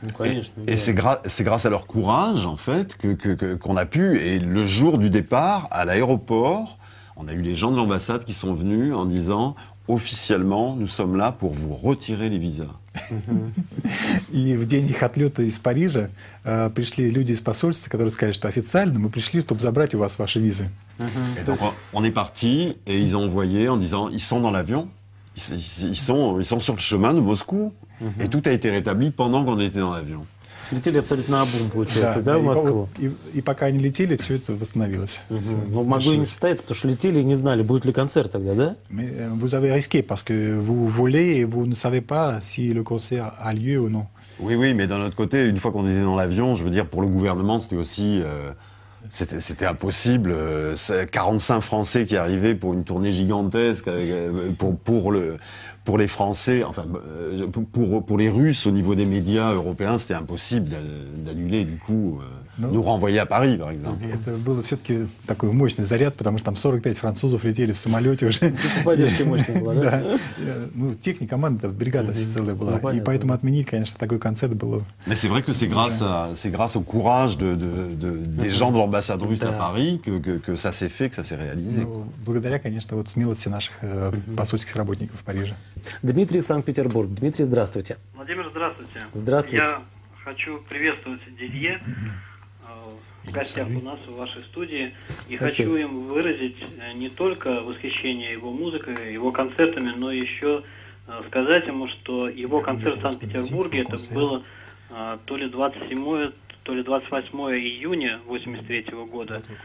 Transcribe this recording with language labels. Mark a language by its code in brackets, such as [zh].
[ru] Ну, конечно. [fr] Et c'est grâce à leur courage, en fait, qu'on a pu, et le jour du départ, à l'aéroport, on a eu les gens de l'ambassade qui sont venus en disant officiellement, nous sommes là pour vous retirer les visas. [ru] И в день их отлета из Парижа пришли люди из посольства, которые сказали, что официально мы пришли, чтобы забрать у вас ваши визы. [fr] On est parti et ils ont envoyé en disant ils sont dans l'avion, ils sont sur le chemin de Moscou et tout a été rétabli pendant qu'on était dans l'avion. [ru] Слетели абсолютно наобум, получается, да, в Москву? И пока они летели, все это восстановилось. Ну, могло и не состояться, потому что летели и не знали, будет ли концерт тогда, да? [fr] Вы avez risqué, parce que vous volez, vous ne savez pas si le concert a lieu ou non. Oui, oui, mais d'un autre côté, une fois qu'on était dans l'avion, je veux dire, pour le gouvernement, c'était aussi... C'était impossible. 45 Français qui arrivaient pour une tournée gigantesque, pour les Français, enfin pour les Russes au niveau des médias européens, c'était impossible d'annuler du coup, nous renvoyer à Paris par exemple. [ru] Это был все-таки такой мощный заряд, потому что там 45 французов летели в самолете уже. Поддержка мощная была, да? Ну, техника, команда, бригада целая была. И поэтому отменить, конечно, такой концерт было. [fr] Mais c'est vrai que c'est grâce au courage des gens de l'ambassade russe à Paris que ça s'est fait, que ça s'est réalisé. [ru] Благодаря, конечно, вот смелости наших посольских работников в Париже. Дмитрий, Санкт-Петербург. Дмитрий, здравствуйте. Владимир, здравствуйте. Здравствуйте. Я хочу приветствовать Дилье в гостях у нас, в вашей студии. И хочу им выразить не только восхищение его музыкой, его концертами, но еще сказать ему, что его концерт в Санкт-Петербурге, это было то ли 27-е, то ли 28 июня 83 года.